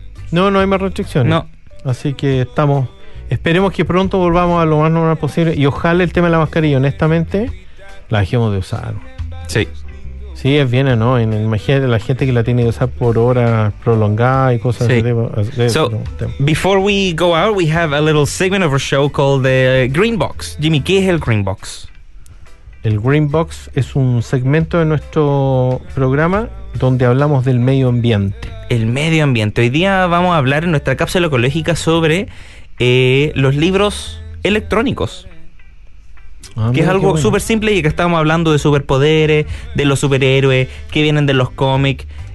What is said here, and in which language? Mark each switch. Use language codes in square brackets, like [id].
[es] No hay más restricciones. No. Así que estamos... Esperemos que pronto volvamos a lo más normal posible. Y ojalá el tema de la mascarilla, honestamente, la dejemos de usar. Sí. Sí, es bien, ¿no? Imagínate la gente que la tiene que usar por hora prolongada y cosas así. [en] So, before we go out, we have a little segment of our show called the Green Box. [es] Jimmy, ¿qué es el Green Box? El Green Box es un segmento de nuestro programa donde hablamos del medio ambiente. El medio ambiente. Hoy día vamos a hablar en nuestra cápsula ecológica sobre los libros electrónicos. Que es algo súper simple, y que estamos hablando de superpoderes, de los superhéroes, que vienen de los cómics.